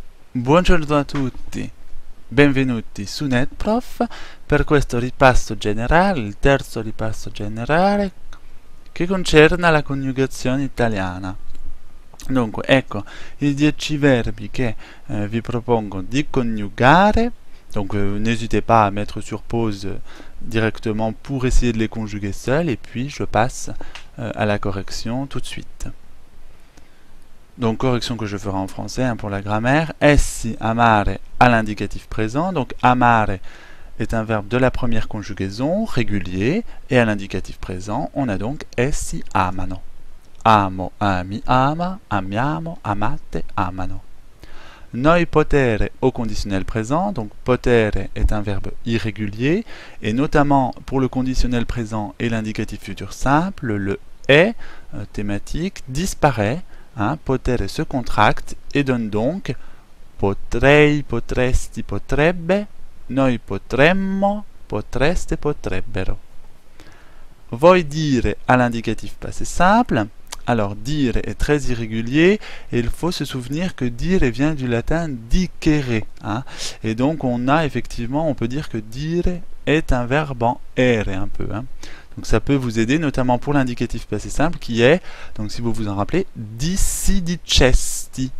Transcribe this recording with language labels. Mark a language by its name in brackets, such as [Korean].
[Italian] Buongiorno a tutti, benvenuti su NetProf per questo ripasso generale, il terzo ripasso generale che concerne la coniugazione italiana. Dunque, ecco i 10 verbi che vi propongo di coniugare. [French] Donc, n'hésitez pas à mettre sur pause directement pour essayer de les conjuguer seuls, et puis je passe à la correction tout de suite. Donc, correction que je ferai en français hein, pour la grammaire. [Italian] Essi amare [French] à l'indicatif présent. Donc, amare est un verbe de la première conjugaison, régulier, et à l'indicatif présent, on a donc [Italian] essi amano. Amo, ami, ama, amiamo, amate, amano. Noi potere [French] au conditionnel présent. Donc, potere est un verbe irrégulier, et notamment pour le conditionnel présent et l'indicatif futur simple, le est thématique disparaît. Hein, potere se contracte et donne donc [Italian] potrei, potresti, potrebbe, noi potremmo, potreste, potrebbero. Voi dire [French] à l'indicatif passé simple. Alors dire est très irrégulier et il faut se souvenir que dire vient du latin dicere. Hein, et donc on a effectivement, on peut dire que dire est un verbe en aere un peu. Hein. Donc ça peut vous aider, notamment pour l'indicatif passé simple qui est, donc si vous vous en rappelez, dicesti.